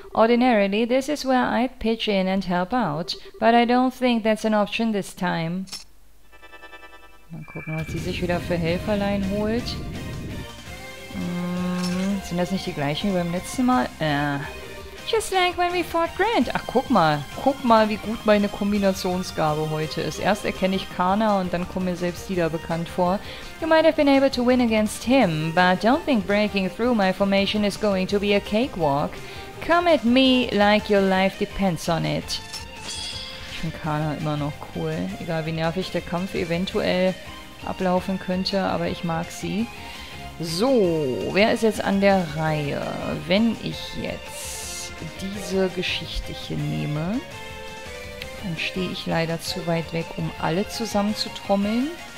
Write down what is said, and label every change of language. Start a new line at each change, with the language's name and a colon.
English: Ordinarily, this is where I'd pitch in and help out. But I don't think that's an option this time.
German: Mal gucken, was sie sich wieder für Helferlein holt. Sind das nicht die gleichen wie beim letzten Mal?
English: Just like when we fought Grant.
German: Ach, guck mal. Guck mal, wie gut meine Kombinationsgabe heute ist. Erst erkenne ich Karna und dann kommen mir selbst die da bekannt vor.
English: You might have been able to win against him, but don't think breaking through my formation is going to be a cakewalk. Come at me like your life depends on it.
German: Ich finde Karna immer noch cool. Egal wie nervig der Kampf eventuell ablaufen könnte, aber ich mag sie. So, wer ist jetzt an der Reihe? Wenn ich jetzt diese Geschichte hier nehme, dann stehe ich leider zu weit weg, um alle zusammen zu trommeln.